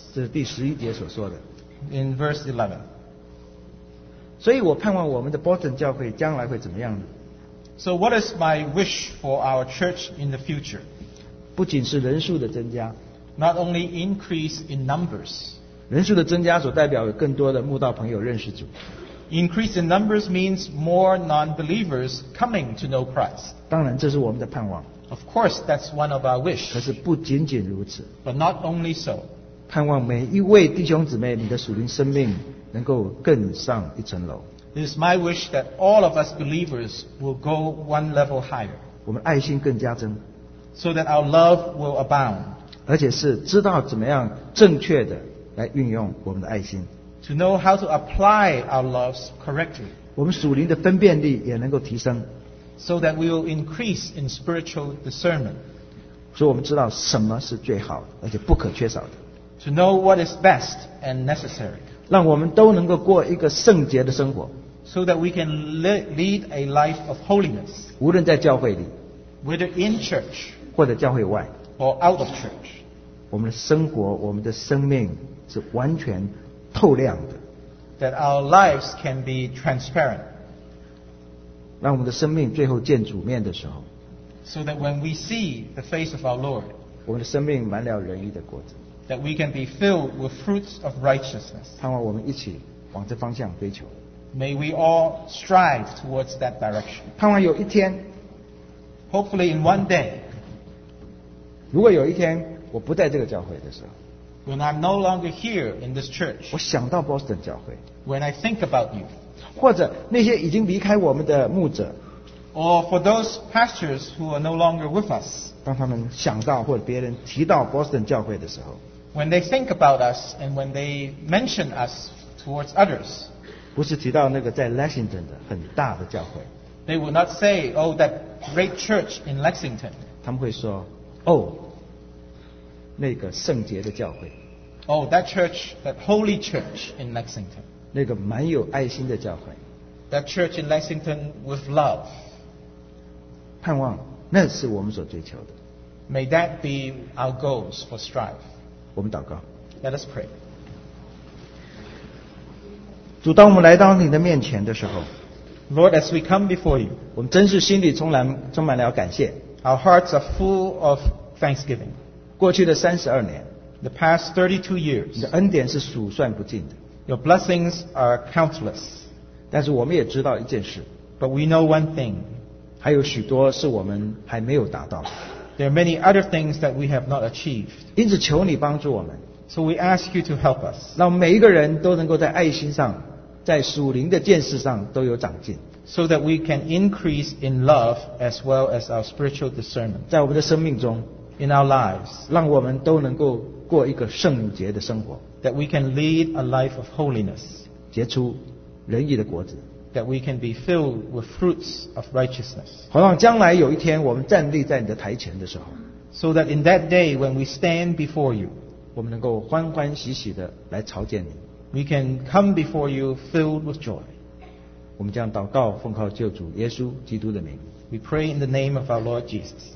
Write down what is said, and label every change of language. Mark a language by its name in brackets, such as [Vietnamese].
[Chinese] 这是第十一节所说的。 [English] In verse 11. [Chinese] 所以我盼望我们的 Boston 教会将来会怎么样呢？ [English] So what is my wish for our church in the future? [Chinese] 不仅是人数的增加。 [English] Not only increase in numbers. [Chinese] 人数的增加所代表有更多的慕道朋友认识主。 [English] Increase in numbers means more non-believers coming to know Christ. [Chinese] 当然这是我们的盼望。 [English] Of course, that's one of our wish. [Chinese] 可是不仅仅如此。 [English] But not only so. [Chinese] 盼望每一位弟兄姊妹，你的属灵生命能够更上一层楼。 [English] It is my wish that all of us believers will go one level higher. [Chinese] 我们爱心更加增。 [English] So that our love will abound. [Chinese] 而且是知道怎么样正确的来运用我们的爱心。 [English] To know how to apply our loves correctly. [Chinese] 我们属灵的分辨力也能够提升。 [English] So that we will increase in spiritual discernment. [Chinese] 所以我们知道什么是最好的，而且不可缺少的。 [English] To know what is best and necessary. [Chinese] 让我们都能够过一个圣洁的生活。 [English] So that we can lead a life of holiness. [Chinese] 无论在教会里。 [English] Whether in church. [Chinese] 或者教会外。 [English] Or out of church. [Chinese] 我们的生活，我们的生命是完全透亮的。 [English] That our lives can be transparent. [Chinese] 让我们的生命最后见主面的时候 [English] So that when we see the face of our Lord [Chinese] 我们的生命满了仁义的果子 [English] That we can be filled with fruits of righteousness [Chinese] 盼望我们一起往这方向追求 [English] May we all strive towards that direction [Chinese] 盼望有一天 [English] Hopefully in one day [Chinese] 如果有一天我不在这个教会的时候 [English] When I'm no longer here in this church [Chinese] 我想到 Boston 教会 [English] When I think about you [Chinese] 或者那些已经离开我们的牧者 [English] or for those pastors who are no longer with us [Chinese] 当他们想到或者别人提到 Boston 教会的时候 [English] when they think about us and when they mention us towards others [Chinese] 不是提到那个在 Lexington 的很大的教会 [English] they will not say oh that great church in Lexington [Chinese] 他们会说 oh 那个圣洁的教会 [English] oh that church that holy church in Lexington [Chinese] 那个蛮有爱心的教会 [English] That church in Lexington with love [Chinese] 盼望那是我们所追求的 [English] May that be our goals for strive [Chinese] 我们祷告 [English] Let us pray [Chinese] 主当我们来到你的面前的时候 [English] Lord as we come before you [Chinese] 我们真是心里充满了感谢 [English] Our hearts are full of thanksgiving [Chinese] 过去的三十二年 [English] The past 32 years [Chinese] 你的恩典是数算不尽的 [English] Your blessings are countless. [Chinese] 但是我们也知道一件事。 [English] But we know one thing. [Chinese] 还有许多是我们还没有达到。 [English] There are many other things that we have not achieved. [Chinese] 因此求你帮助我们。 [English] So we ask you to help us. [Chinese] 让每一个人都能够在爱心上，在属灵的见识上都有长进。 [English] So that we can increase in love as well as our spiritual discernment. [Chinese] 在我们的生命中。 [English] In our lives. [Chinese] 让我们都能够过一个圣洁的生活。 [English] That we can lead a life of holiness. [Chinese] 结出仁义的果子。 [English] That we can be filled with fruits of righteousness. [Chinese] 好让将来有一天我们站立在你的台前的时候。 [English] So that in that day when we stand before you, [Chinese] 我们能够欢欢喜喜地来朝见你。 [English] We can come before you filled with joy. [Chinese] 我们将祷告奉靠救主耶稣基督的名。 [English] We pray in the name of our Lord Jesus.